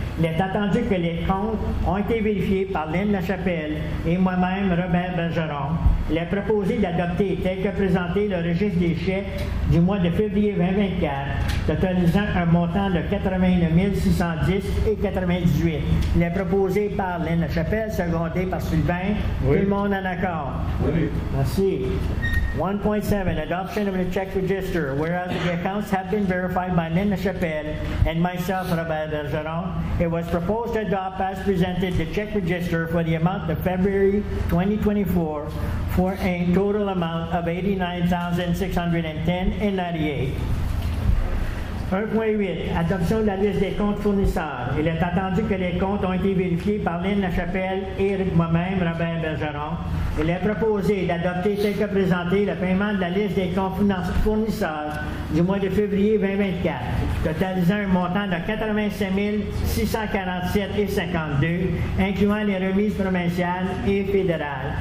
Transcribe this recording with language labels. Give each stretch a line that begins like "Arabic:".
French: Il est attendu que les comptes ont été vérifiés par Lynn Lachapelle et moi-même, Robert Bergeron. Il est proposé d'adopter tel que présenté le registre des chèques du mois de février 2024, totalisant un montant de 89 610,98. Il est proposé par Lynn Lachapelle, secondé par Sylvain. Oui. Tout le monde en accord? Oui. Merci.
English: 1.7, adoption of the check register, whereas the accounts have been verified by Lynn Lachapelle and myself, Robert Bergeron, it was proposed to adopt as presented the check register for the amount of February 2024 for a total amount of $89,610.98.
French: 1.8, adoption de la liste des comptes fournisseurs. Il est attendu que les comptes ont été vérifiés par Lynn LaChapelle et moi-même, Robin Bergeron. Il est proposé d'adopter tel que présenté le paiement de la liste des comptes fournisseurs du mois de février 2024, totalisant un montant de 85 647,52 incluant les remises provinciales et fédérales.